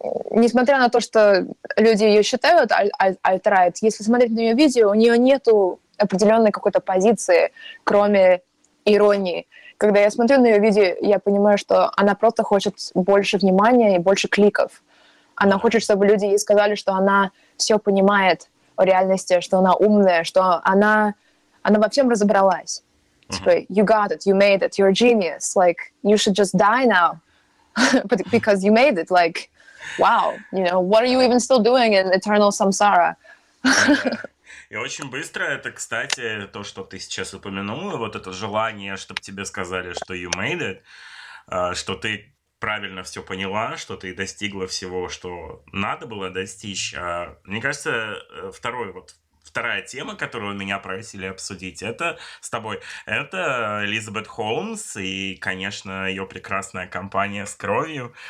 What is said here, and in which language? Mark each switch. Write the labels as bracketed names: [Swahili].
[Russian] Несмотря на то, что люди ее считают альт-райт, если смотреть на ее видео, у нее нету определенной какой-то позиции, кроме иронии. Когда я смотрю на ее видео, я понимаю, что она просто хочет больше внимания и больше кликов. Она хочет, чтобы люди ей сказали, что она все понимает о реальности, что она умная, что она во всем разобралась. Типа, [English] you got it, you made it, you're a genius, like, you should just die now, because you made it, like, wow, you know, what are you even still doing in eternal samsara? [Russian] И очень быстро это, кстати, то, что ты сейчас упомянула, вот это желание, чтобы тебе сказали, что [English] you made it, [Russian] что ты правильно все поняла, что ты достигла всего, что надо было достичь. Мне кажется, вторая тема, которую меня просили обсудить, это с тобой, это Элизабет Холмс и, конечно, ее прекрасная компания с кровью.